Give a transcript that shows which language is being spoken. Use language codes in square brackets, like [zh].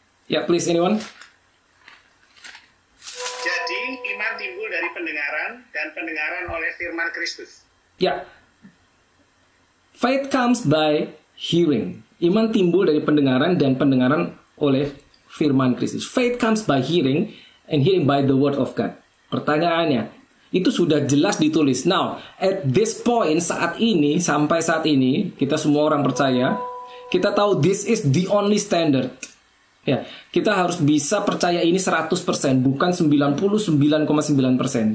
[en] Ya, please anyone? [id] Jadi iman timbul dari pendengaran dan pendengaran oleh firman Kristus. [en] Ya. Faith comes by hearing. [id] Iman timbul dari pendengaran dan pendengaran oleh firman Kristus. [en] Faith comes by hearing and hearing by the word of God. [id] Pertanyaannya, itu sudah jelas ditulis. [en] Now, at this point, [id] saat ini, sampai saat ini, kita semua orang percaya, kita tahu [en] this is the only standard. [id] Ya, kita harus bisa percaya ini 100%, bukan 99,9%.